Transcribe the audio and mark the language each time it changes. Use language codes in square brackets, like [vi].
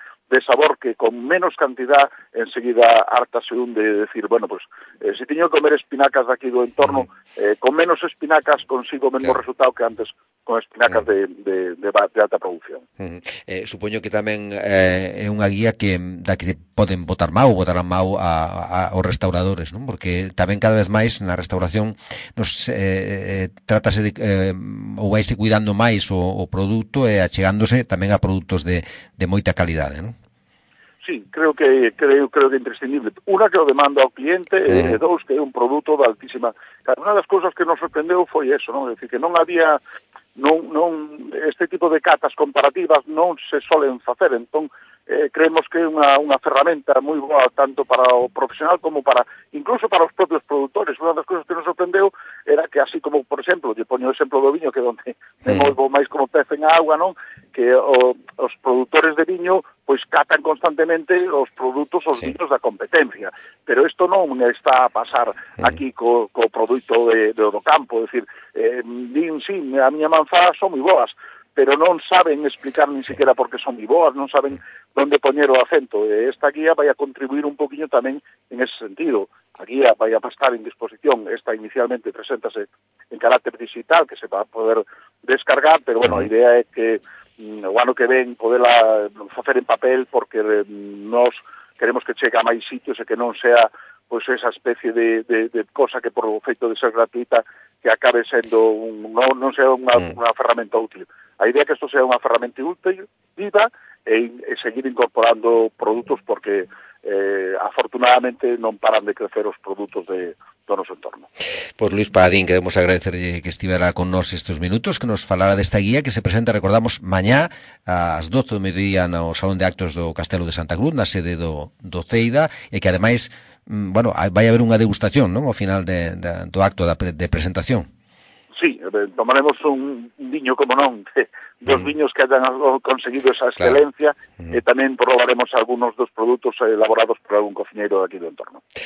[es] de sabor que con menos cantidad enseguida hartase un de decir, bueno, pues si tengo que comer espinacas de aquí do entorno, con menos espinacas consigo menos claro. resultado que antes con espinacas de alta producción. [gl] Supoño que tamén é unha guía que da que poden botar mau, botarán mau aos restauradores, non? Porque tamén cada vez máis na restauración nos trátase de ou vaise cuidando máis o produto e achegándose tamén a produtos de moita calidade, non? Sí, creo que é imprescindible. Una, que o demanda ao cliente, e dous, que é un produto de altísima. Una das cousas que nos sorprendeu foi eso, non? É dicir, que non había non este tipo de catas comparativas non se solen facer, entón creemos que é unha ferramenta moi boa tanto para o profesional como para incluso para os propios produtores. Unha das cousas que nos sorprendeu era que así como, por exemplo, lle poño o exemplo do viño, que onde me movo máis como pez en agua, non? Que os produtores de viño pois catan constantemente os produtos, os viños da competencia. Pero isto non está a pasar aquí co produto do campo. É dicir, a miña manzá son moi boas, pero non saben explicar nin siquiera por que son moi boas, non saben onde poñer o acento. Esta guía vai a contribuir un poquinho tamén en ese sentido. A guía vai a estar en disposición, esta inicialmente preséntase en carácter digital, que se va a poder descargar, pero bueno, a idea é que o ano que ven poderla facer en papel, porque nos queremos que chegue a máis sitios e que non sea pois esa especie de cosa que por o feito de ser gratuita que acabe sendo non sea unha ferramenta útil. A idea é que isto sea unha ferramenta útil, viva, e seguir incorporando produtos porque afortunadamente non paran de crecer os produtos do noso entorno. Pues Luis Paladín, queremos agradecerle que estivera con nos estes minutos, que nos falara desta guía que se presenta, recordamos, mañá ás 12 do mediodía no Salón de Actos do Castelo de Santa Cruz, na sede do CEIDA, e que ademais bueno, vai haber unha degustación, non? Ao final do acto de presentación. Sí, tomaremos un viño, como non, dos viños que hayan conseguido esa excelencia, claro. E tamén probaremos algunos dos produtos elaborados por algún cociñeiro aquí do entorno.